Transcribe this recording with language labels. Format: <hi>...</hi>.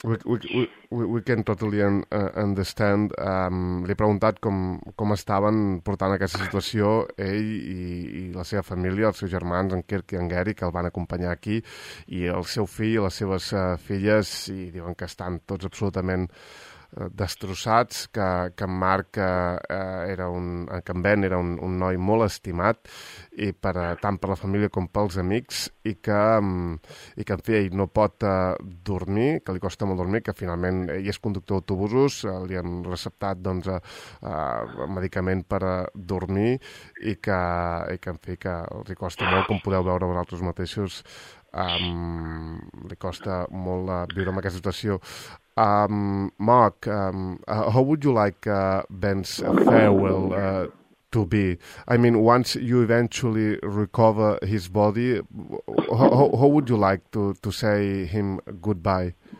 <en>We can totally understand.</en> <ca>Li he preguntat com estaven portant aquesta situació ell i la seva família, els seus germans, en Kirk i en Gary, que el van acompanyar aquí, i el seu fill i les seves filles, i diuen que estan tots absolutament destrossats, que en Marc que en Ben era un noi molt estimat i tant per la família com pels amics i que en fi ell no pot dormir, que li costa molt dormir, que finalment ell és conductor d'autobusos, li han receptat doncs medicament per dormir i que en fi que li costa molt, com podeu veure vosaltres mateixos, li costa molt viure en aquesta situació.</ca> <en>Mark, how would you like Ben's farewell to be? I mean, once you eventually recover his body, how would you like to say him goodbye?</en>